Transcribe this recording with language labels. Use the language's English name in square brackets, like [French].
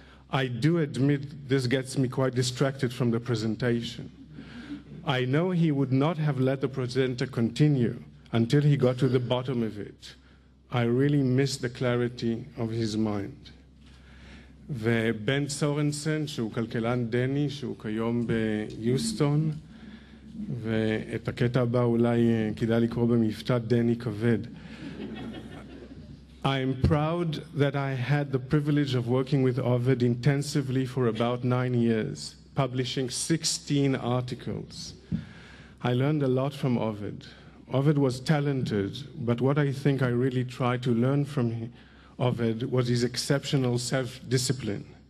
[English] I do admit this gets me quite distracted from the presentation. I know he would not have let the presenter continue until he got to the bottom of it. I really miss the clarity of his mind. [Hebrew] ובן סורנסן, שהוא כלכלן דני, שהוא כיום ביוסטון, ואת הקטע הבא אולי כדאי לקרוא במבטא דני כבד. [English] I am proud that I had the privilege of working with Ovid intensively for about 9 years, publishing 16 articles. I learned a lot from Ovid. Ovid was talented, but what I think I really tried to learn from Ovid was his exceptional self-discipline.